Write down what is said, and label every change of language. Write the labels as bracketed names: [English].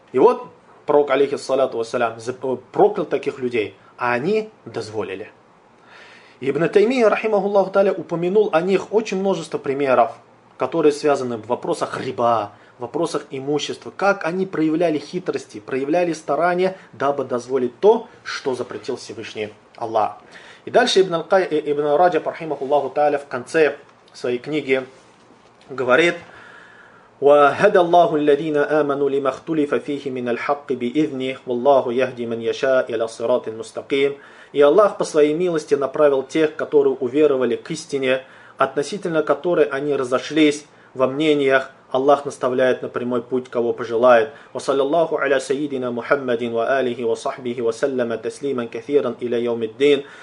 [Russian] И вот пророк, алейхи ассаляту вассалям, проклял таких людей, а они дозволили. Ибн Таймия, рахимахуллаху таля, упомянул о них очень множество примеров, которые связаны в вопросах риба, в вопросах имущества, как они проявляли хитрости, проявляли старания, дабы дозволить то, что запретил Всевышний Аллах. И дальше Ибн Раджаб, рахимахуллаху таля, в конце своей книги говорит: [Arabic] وَهَدَى اللَّهُ الَّذِينَ آمَنُوا لِمَا اخْتُلِفَ فِيهِ مِنَ الْحَقِّ بِإِذْنِهِ وَاللَّهُ يَهْدِي مَنْ يَشَاءُ إِلَى صِرَاطٍ مُسْتَقِيمٍ. [Russian] И Аллах по своей милости направил тех, которые уверовали к истине, относительно которой они разошлись во мнениях. Аллах наставляет на прямой путь, кого пожелает. [Arabic] وَصَلَّى اللَّهُ عَلَى سَيِّدِنَا مُحَمَّدٍ وَآلِهِ وَصَحْبِهِ وَسَلَّمَ تَسْلِيمًا كَثِيرًا إِلَى يَوْمِ الدِّينِ.